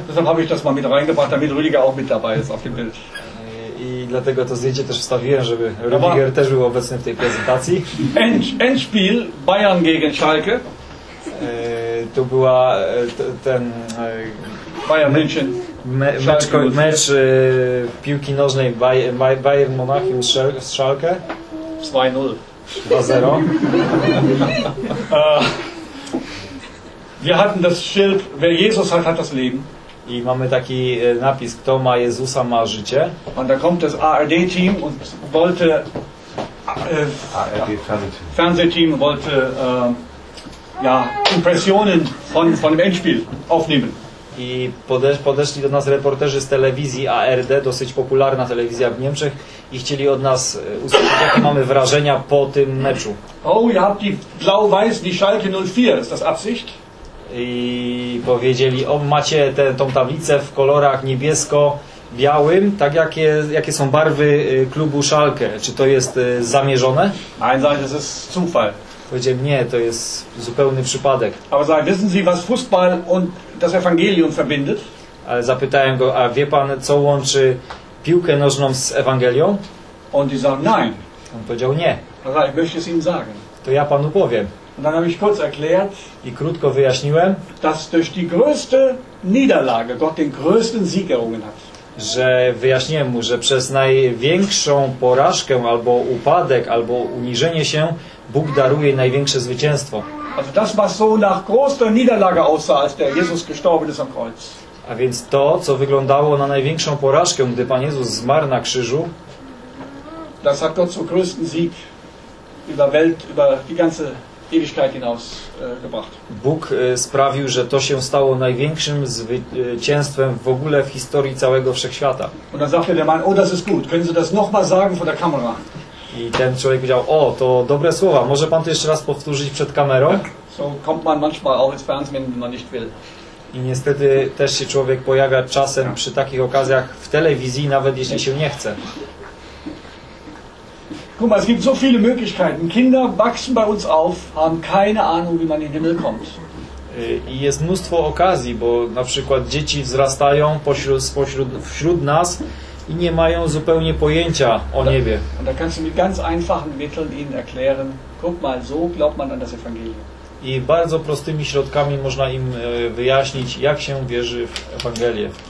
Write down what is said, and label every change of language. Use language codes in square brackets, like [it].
[de] Deshalb habe ich das mal mit reingebracht, damit Rüdiger auch mit dabei ist auf dem Bild. [pl] I dlatego to zdjęcie też wstawiłem, żeby Rüdiger też był obecny w tej prezentacji. [de] Endspiel Bayern gegen Schalke. [pl] To była ten [de] Bayern München. [pl] Mecz piłki nożnej Bayern Monachium z Schalke. 2-0. 2-0. [de] Wir hatten das Schild, wer Jesus hat, hat das Leben. [pl] I mamy taki napis, kto ma Jezusa, ma życie. [de] Und da kommt das ARD-Team und wollte... ARD-Fernsehteam wollte Impressionen von dem Endspiel aufnehmen. [pl] I podeszli do nas reporterzy z telewizji ARD, dosyć popularna telewizja w Niemczech, i chcieli od nas usłyszeć, jakie mamy wrażenia po tym meczu. [de] Oh, ihr habt die blau-weiß, die Schalke 04, ist das Absicht? [pl] I powiedzieli, o, macie tą tablicę w kolorach niebiesko-białym, tak jakie są barwy klubu Schalke, czy to jest zamierzone? [de] Nein, nein, das ist Zufall. [pl] Powiedziałem, nie, to jest zupełny przypadek. [de] Aber sagen, wissen Sie, was Fußball und das Evangelium verbindet? [pl] Ale zapytałem go, a wie pan, co łączy piłkę nożną z Ewangelią? [de] Und die sagen, nein. [pl] On powiedział, nie. [de] Also, ich möchte es Ihnen sagen. [pl] To ja panu powiem. [de] Und dann habe ich kurz erklärt, [pl] i krótko wyjaśniłem, [de] dass durch die größte Niederlage Gott den größten Sieg errungen hat. [pl] Że wyjaśniłem mu, że przez największą porażkę, albo upadek, albo uniżenie się, Bóg daruje największe zwycięstwo. [de] Also das, was so nach großer Niederlage aussah, als der Jesus gestorben ist am Kreuz. [pl] A więc to, co wyglądało na największą porażkę, gdy Pan Jezus zmarł na krzyżu, [de] das hat Gott zum größten Sieg über Welt, über die ganze Ewigkeit hinaus gebracht. [pl] Bóg sprawił, że to się stało największym zwycięstwem w ogóle w historii całego wszechświata. [de] Und dann sagte der Mann, oh, das ist gut. Können Sie das nochmal sagen vor der Kamera? [pl] I ten człowiek powiedział, o, to dobre słowa, może pan to jeszcze raz powtórzyć przed kamerą? [de] So kommt man manchmal auch ins Fernsehen, wenn man nicht will. [pl] I niestety też się człowiek pojawia czasem przy takich okazjach w telewizji, nawet jeśli się nie chce. [de] Guck mal, es gibt so viele Möglichkeiten. Kinder wachsen bei uns auf, haben keine Ahnung, wie man in den Himmel kommt. [pl] I jest mnóstwo okazji, bo na przykład dzieci wzrastają wśród nas, i nie mają zupełnie pojęcia o niebie. [de] Und da kannst du mit ganz einfachen Mitteln ihnen erklären, guck mal, so glaubt man an das Evangelium. [pl] I bardzo prostymi środkami można im wyjaśnić, jak się wierzy w Ewangelię.